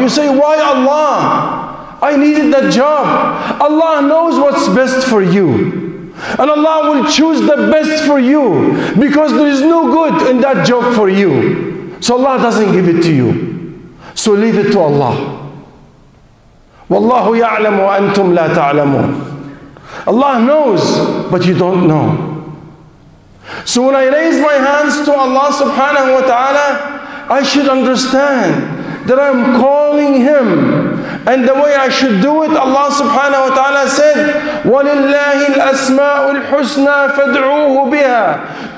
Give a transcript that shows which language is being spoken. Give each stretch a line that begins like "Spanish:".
English: You say, why Allah? I needed that job. Allah knows what's best for you. And Allah will choose the best for you, because there is no good in that job for you. So Allah doesn't give it to you. So leave it to Allah.
Arabic: والله يعلم وأنتم لا تعلمون.
English: Allah knows, but you don't know. So when I raise my hands to Allah subhanahu wa ta'ala, I should understand that I'm calling Him. And the way I should do it, Allah subhanahu wa ta'ala said,
Arabic: وَلِلَّهِ الْأَسْمَاءُ الْحُسْنَى فَادْعُوهُ بِهَا.